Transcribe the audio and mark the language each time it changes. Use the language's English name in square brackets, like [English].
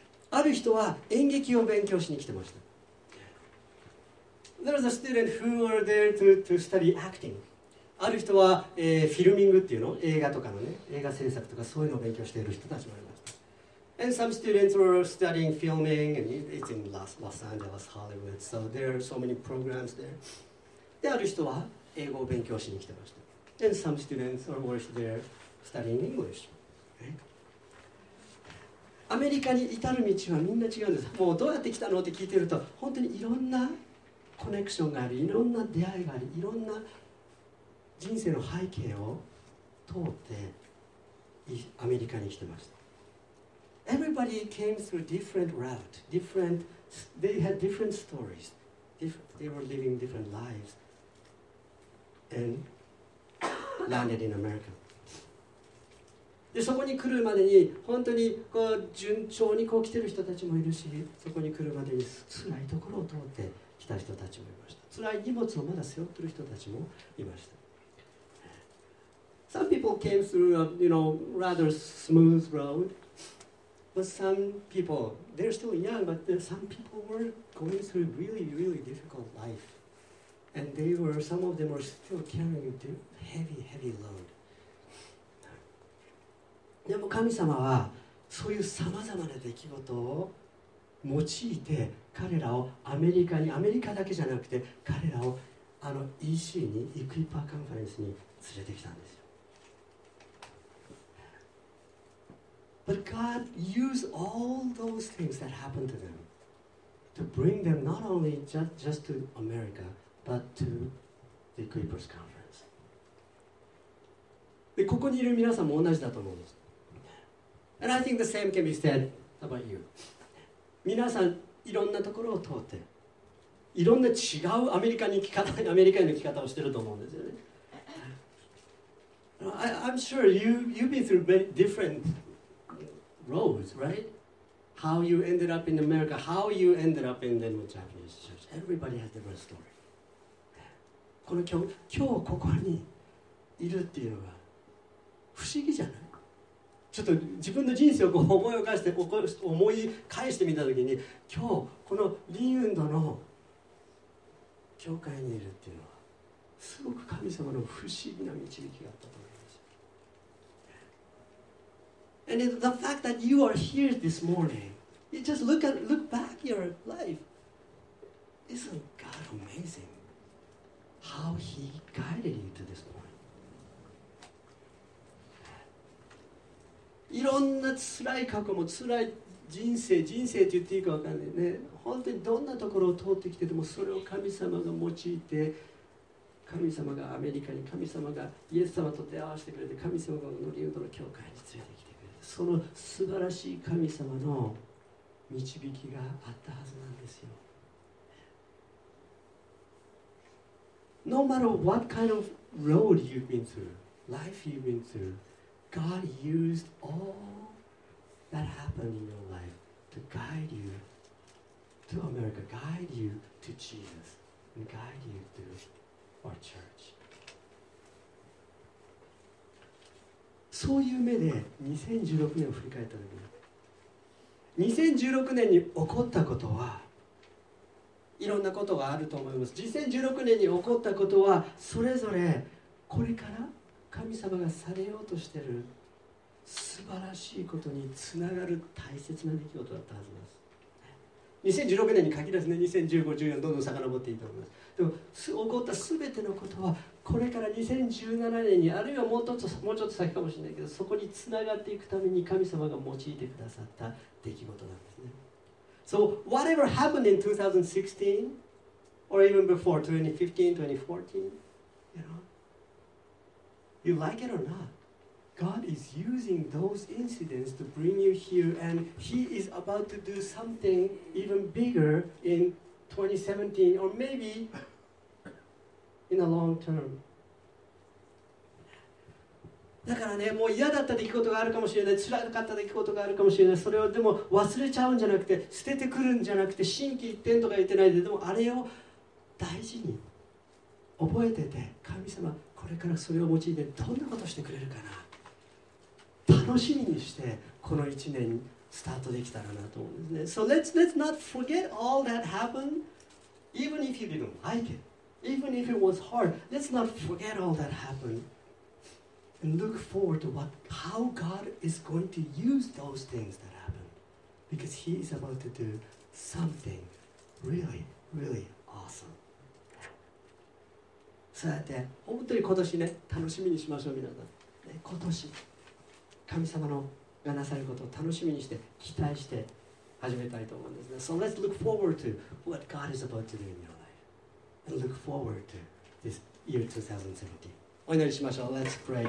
[Japanese] ある人は演劇を勉強しに来てました。 [English] There's a student who are there to study acting. [Japanese] ある人は、フィルミングっていうの、映画とかのね、映画制作とかそういうのを勉強している人たちもいます。 [English] And some students were studying filming, and it's in Los Angeles, Hollywood. So there are so many programs there. [Japanese] で、ある人は英語を勉強しに来てました。 [English] And some students were there studying English. [Japanese] アメリカに至る道はみんな違うんです。もうどうやって来たのって聞いてると、本当にいろんなコネクションがあり、いろんな出会いがあり、いろんな人生の背景を通ってアメリカに来てました。 [English] Everybody came through different route, different, they had different stories, they were living different lives, and landed in America. [Japanese] で、そこに来るまでに、本当にこう順調にこう来てる人たちもいるし、そこに来るまでに辛いところを通って来た人たちもいました。辛い荷物をまだ背負ってる人たちもいました。 [English] Some people came through a, you know, rather smooth road,But some people, they're still young, but some people were going through really, really difficult life. And they were, some of them were still carrying a heavy, heavy load. [Japanese] でも神様はそういうさまざまな出来事を用いて彼らをアメリカに、アメリカだけじゃなくて彼らをあの EC に、イクイパーカンファレンスに連れてきたんですよ。 [English] But God used all those things that happened to them to bring them not only just to America, but to the Equipers Conference. [Japanese] で、ここにいる皆さんも同じだと思うんです。 [English] And I think the same can be said about you. [Japanese] 皆さん、いろんなところを通って、いろんな違うアメリカに生き方、アメリカへの生き方をしてると思うんですよね。 [English] I'm sure you've been through many different roads, right? How you ended up in America, how you ended up in the Japanese church. Everybody has different story. [Japanese] この今日ここにいるっていうのは不思議じゃない？ちょっと自分の人生をこう思い起こして思い返してみたときに、今日このリンウンドの教会にいるっていうのはすごく神様の不思議な導きがあったと思います。 [English] And the fact that you are here this morning, you just look back your life. Isn't God amazing? How He guided you to this point? [Japanese] いろんな辛い過去も辛い人生と言っていいか分からないね。本当にどんなところを通ってきてても、それを神様が用いて、神様がアメリカに、神様がイエス様と出会わせてくれて、神様がノリウッドの教会に連れてきてくれて、その素晴らしい神様の導きがあったはずなんですよ。 [English] No matter what kind of road you've been through, life you've been throughGod used all that happened in your life to guide you to America, guide you to Jesus, and guide you to our church. [Japanese] そういう目で2016年を振り返った時に、2016年に起こったことは、いろんなことがあると思います。 2016年に起こったことは、それぞれこれから神様がされようとしている素晴らしいことにつながる大切な出来事だったはずです。 2016年に限らずね、2015、14、どんどん遡っていいと思います。でも起こった全てのことは、これから2017年に、あるいはもうちょっと先かもしれないけど、そこにつながっていくために神様が用いてくださった出来事なんですね。 [English] So whatever happened in 2016 or even before 2015, 2014, you like it or not, God is using those incidents to bring you here, and He is about to do something even bigger in 2017, or maybe in the long term. [Japanese] だからね、もう嫌だった出来事があるかもしれない、辛かった出来事があるかもしれない、それをでも忘れちゃうんじゃなくて、捨ててくるんじゃなくて、心機一転とか言ってないで、でもあれを大事に覚えてて、神様、これからそれを用いてどんなことしてくれるかな、楽しみにしてこの1年スタートできたらなと思うんですね。 [English] So let's not forget all that happened, even if you didn't like it, even if it was hard, let's not forget all that happened and look forward to how God is going to use those things that happened, because He is about to do something really, really awesome. [Japanese] そうやって本当に今年ね、楽しみにしましょう皆さん、ね、今年神様のがなさることを楽しみにして期待して始めたいと思うんですね。 [English] So let's look forward to what God is about to do in your life and look forward to this year 2017. [Japanese] お祈りしましょう。 [English] Let's pray.